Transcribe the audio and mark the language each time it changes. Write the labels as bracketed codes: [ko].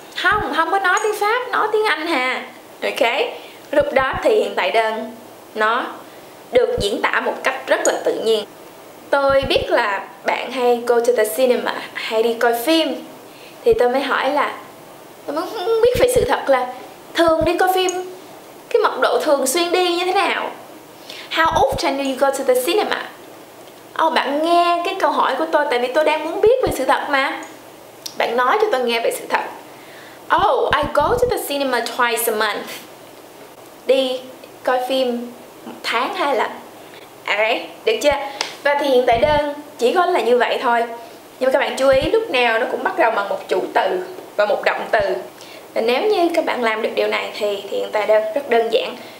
[vi] Không, không có nói tiếng Pháp, nói tiếng Anh hà. Ok? Lúc đó thì hiện tại đơn nó được diễn tả một cách rất là tự nhiên. Tôi biết là bạn hay [en] go to the cinema, [vi] hay đi coi phim. Thì tôi mới hỏi là, tôi muốn biết về sự thật là thường đi coi phim, cái mật độ thường xuyên đi như thế nào? [en] How often do you go to the cinema? [vi] Oh, bạn nghe cái câu hỏi của tôi tại vì tôi đang muốn biết về sự thật mà. Bạn nói cho tôi nghe về sự thật. [en] Oh, I go to the cinema twice a month. [vi] Đi coi phim một tháng hai lần. Alright, được chưa? Và thì hiện tại đơn chỉ có là như vậy thôi. Nhưng mà các bạn chú ý, lúc nào nó cũng bắt đầu bằng một chủ từ và một động từ. Và nếu như các bạn làm được điều này thì hiện tại đơn rất đơn giản.